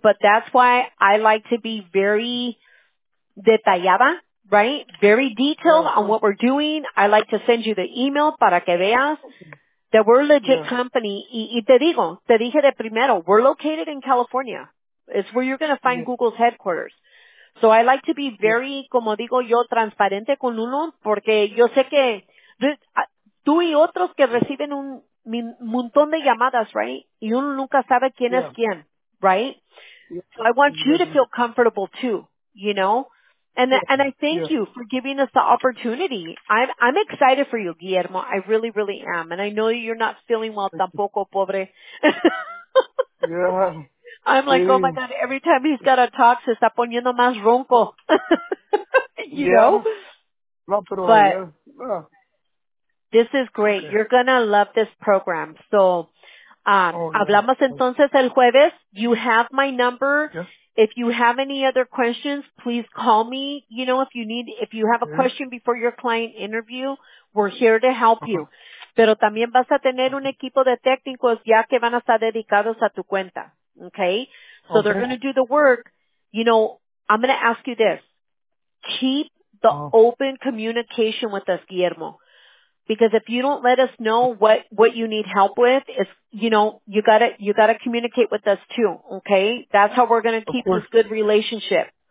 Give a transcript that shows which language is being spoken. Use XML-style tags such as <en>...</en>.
<en>But that's why I like to be very detallada, right? Very detailed on what we're doing. I like to send you the email para que veas that we're a legit company.</en> <es>Y te dije de primero, we're located in California.</es> <en>It's where you're going to find Google's headquarters.</en> <es>So I like to be very, como digo yo, transparente con uno, porque yo sé que tú y otros que reciben un montón de llamadas, right? Y uno nunca sabe quién es quién, right?</es> <en>So I want you to feel comfortable too, you know? And I thank you for giving us the opportunity. I'm excited for you, Guillermo. I really, really am. And I know you're not feeling well tampoco, pobre. Yeah. I'm like, oh my God, every time he's got a talk, se está poniendo más ronco. You know? But this is great. You're going to love this program. So, hablamos entonces el jueves. You have my number. Yeah. If you have any other questions, please call me. You know, if you have a question before your client interview, we're here to help you.</en> <es>Pero también vas a tener un equipo de técnicos ya que van a estar dedicados a tu cuenta.</es> <en>Okay? So they're going to do the work. You know, I'm going to ask you this. Keep the open communication with us, Guillermo. Because if you don't let us know what you need help with, it's, you know, you gotta communicate with us too. Okay? That's how we're gonna keep this good relationship.</en>